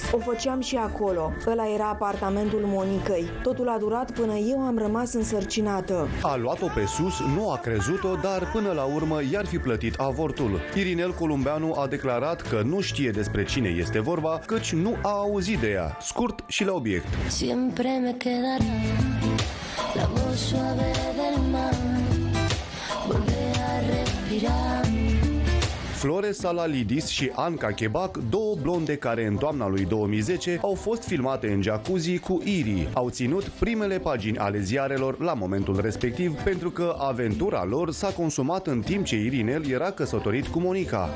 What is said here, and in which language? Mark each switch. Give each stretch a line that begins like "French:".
Romanian: O făceam și acolo. Ăla era apartamentul Monicăi. Totul a durat până eu am rămas însărcinată. A luat-o pe sus, nu a crezut-o, dar până la urmă i-ar fi plătit avortul. Irinel Columbeanu a declarat că nu știe despre cine este vorba, căci nu a auzit de ea. Scurt și la obiect.
Spanish: Siempre me quedará la voz suave del mar, volver a respirar.
Romanian: Flore Salalidis și Anca Chebac, două blonde care în toamna lui 2010 au fost filmate în jacuzzi cu Iri, au ținut primele pagini ale ziarelor la momentul respectiv, pentru că aventura lor s-a consumat în timp ce Irinel era căsătorit cu Monica.